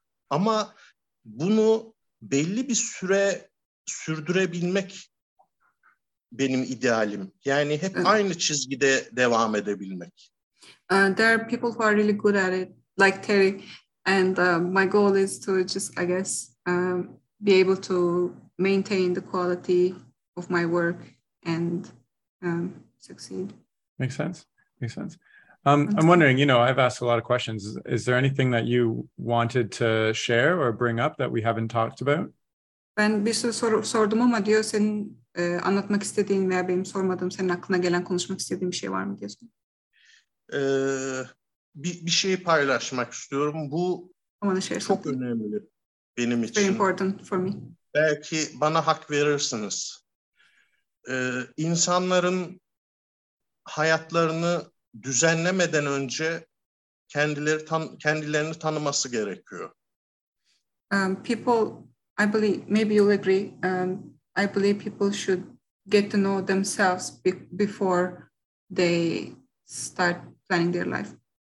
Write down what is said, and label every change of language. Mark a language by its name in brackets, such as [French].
[Turkish] Ama bunu belli bir süre sürdürebilmek benim idealim. Yani hep aynı çizgide devam edebilmek. [English] There are people who are really good at it, like Terry. And my goal is to just, I guess, be able to maintain the quality of my work and succeed. Makes sense. I'm wondering, you know, I've asked a lot of questions. Is there anything that you wanted to share or bring up that we haven't talked about? [Turkish] Ben bir sürü soru sordum ama diyor senin anlatmak istediğin veya benim sormadığım, senin aklına gelen, konuşmak istediğin bir şey var mı diyorsun? Bir şey paylaşmak istiyorum. Bu çok önemli benim için. [English] Very important for me. [Turkish] Belki bana hak verirsiniz. İnsanların hayatlarını düzenlemeden önce kendilerini tanıması gerekiyor. [English] People, I believe, maybe you'll agree. I believe people should get to know themselves before they start planning their life.